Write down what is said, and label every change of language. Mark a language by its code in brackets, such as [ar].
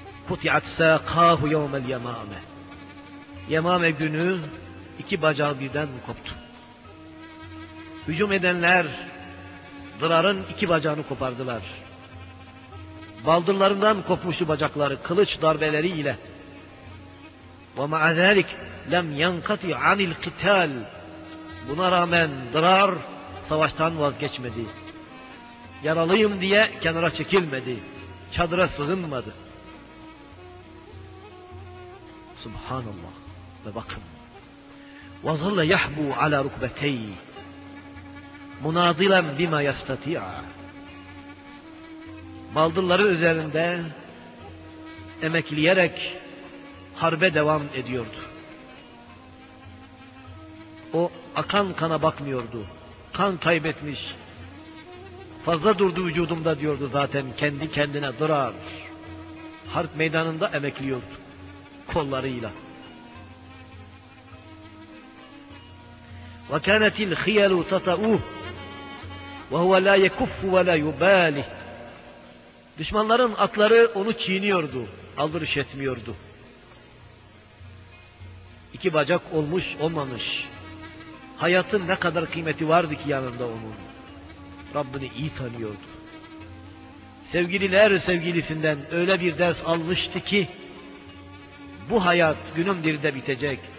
[ar] قُطِعَتْ سَاقَاهُ يَوْمَ الْيَمَامَةِ [tr] Yemame günü iki bacağı birden koptu. Hücum edenler dırarın iki bacağını kopardılar. Baldırlarından kopmuştu bacakları kılıç darbeleriyle. [ar] وَمَعَ ذَلِكَ لَمْ يَنْقَطِعْ عَنِ الْقِتَالِ [tr] Buna rağmen dırar savaştan vazgeçmedi. Yaralıyım diye kenara çekilmedi. Çadıra sığınmadı. Subhanallah. Ve bakın. [ar] وَظَلَّ يَحْبُوا عَلَى رُكْبَتَيْهِ مُنَادِلًا بِمَا يَسْتَطِعَ [tr] Baldırları üzerinde emekleyerek harbe devam ediyordu. O akan kana bakmıyordu. Kan kaybetmiş. Fazla durdu vücudumda diyordu zaten kendi kendine durar. Harp meydanında emekliyordu. Kollarıyla. [ar] وكانت الخيل تطؤه وهو لا يكف ولا يبالي [tr] Düşmanların atları onu çiğniyordu, aldırış etmiyordu. İki bacak olmuş, olmamış. Hayatın ne kadar kıymeti vardı ki yanında onun. Rabbini iyi tanıyordu. Sevgililer sevgilisinden öyle bir ders almıştı ki bu hayat günün birinde bitecek.